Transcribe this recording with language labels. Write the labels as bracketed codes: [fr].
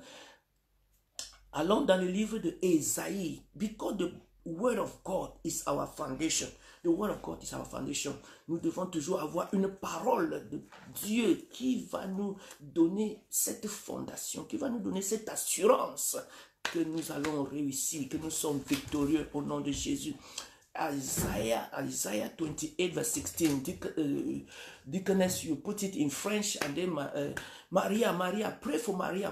[en] Isaiah 28, verse 16. Along the deliver the Isaiah, because the word of God is our foundation. The word of God is our foundation. [fr] Nous devons toujours avoir une parole de Dieu qui va nous donner cette fondation, qui va nous donner cette assurance que nous allons réussir, que nous sommes victorieux au nom de Jésus. [en] Isaiah 28 verse 16. You put it in French, and then Maria, pray for Maria.